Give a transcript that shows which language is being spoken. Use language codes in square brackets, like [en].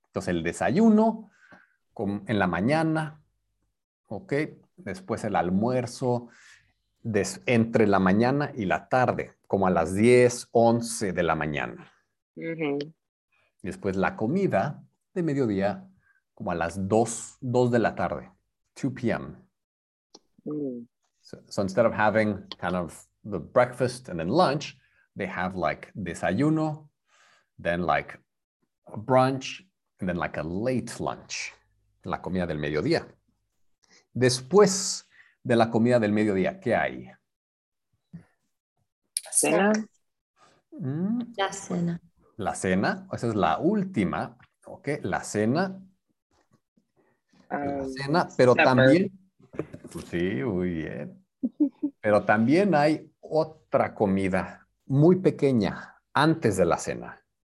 [es] Entonces el desayuno en la mañana, ok, después el almuerzo entre la mañana y la tarde, como a las 10, 11 de la mañana. Después la comida de mediodía, como a las 2 de la tarde, 2 p.m. [en] So instead of having kind of the breakfast and then lunch, they have like desayuno, then like a brunch, and then like a late lunch, [es] la comida del mediodía. Después de la comida del mediodía, ¿qué hay? Cena. La cena. La cena, esa es la última, ¿ok? La cena, pero [en] Supper. [es] también, sí, muy bien, pero también hay otra comida muy pequeña antes de la cena.